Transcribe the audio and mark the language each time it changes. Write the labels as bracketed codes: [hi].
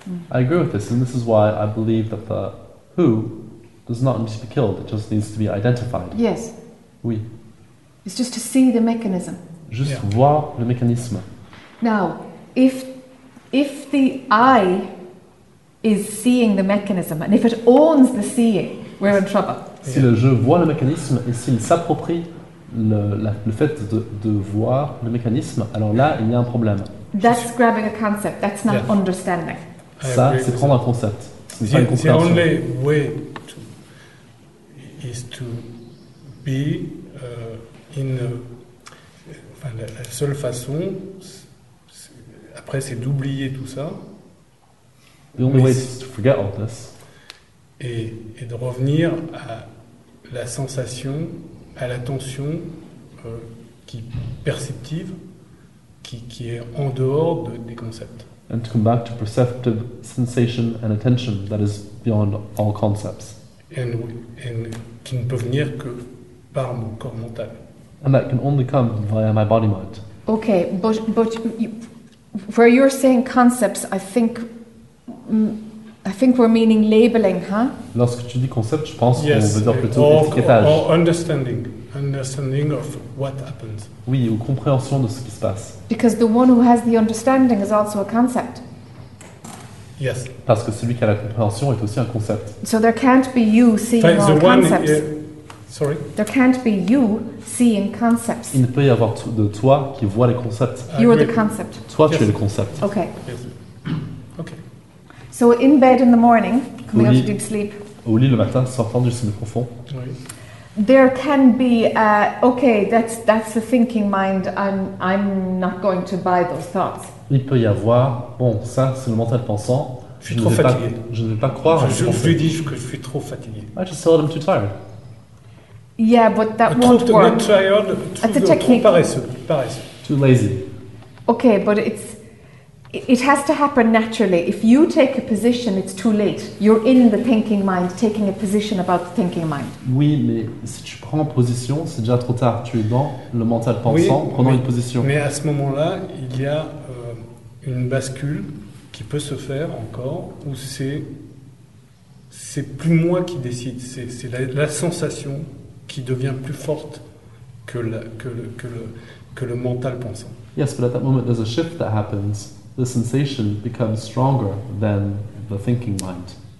[en] I agree with this, and this is why I believe that the who does not need to be killed, it just needs to be identified. Yes. [fr] Oui. [en] It's just to see the mechanism. [fr] juste yeah. voir le mécanisme. [en] Now, if the eye is seeing the mechanism and if it owns the seeing, we're in trouble. Yeah. [fr] Si le jeu voit le mécanisme et s'il s'approprie le fait de voir le mécanisme, alors là, il y a un problème. [en] That's grabbing a concept. That's not yeah. understanding. [fr] Ça, c'est prendre un concept. [en] The only way to, is to be in [fr] enfin, la seule façon c'est, après c'est d'oublier tout ça. [en] The only way is to forget all this. [fr] Et de revenir à la sensation, à l'attention qui perceptive, qui est en dehors de, des concepts. [en] And to come back to perceptive sensation and attention that is beyond all concepts. [fr] And qui ne peut venir que par mon corps mental. [en] And that can only come via my body mind. Okay, but you, where you're saying concepts, I think we're meaning labeling, huh? [fr] Lorsque tu dis concept, je pense yes, qu'on veut dire plutôt étiquetage. [en] Or understanding. Understanding of what happens. [fr] Oui, ou compréhension de ce qui se passe. [en] Because the one who has the understanding is also a concept. Yes. [fr] Parce que celui qui a la compréhension est aussi un concept. [en] So there can't be you seeing all the concepts. Sorry. There can't be you seeing concepts. [fr] Il ne peut y avoir de toi qui voit les concepts. [en] You are the concept. [fr] Toi, yes. tu es le concept. [en] Okay. Yes. Okay. So in bed in the morning, coming out of deep sleep. [fr] Au lit le matin, sortant du sommeil profond. Oui. [en] There can be okay. That's the thinking mind. I'm not going to buy those thoughts. [fr] Il peut y avoir bon ça c'est le mental pensant. Je suis trop fatigué. Je ne vais pas croire. Je lui dis que je suis trop fatigué. [en] I just told him too tired. Yeah, but that [fr] trop, [en] won't work. That's a technique. [fr] Trop paresseux. [en] Too lazy. Okay, but it has to happen naturally. If you take a position, it's too late. You're in the thinking mind, taking a position about the thinking mind. [fr] Oui, mais si tu prends position, c'est déjà trop tard. Tu es dans le mental pensant, oui, prenant une position. Mais à ce moment-là, il y a une bascule qui peut se faire encore, où c'est plus moi qui décide. C'est la sensation qui devient plus forte que le mental pensant. [en] Yes, but at that moment, there's a shift that happens. The sensation becomes stronger than the thinking mind.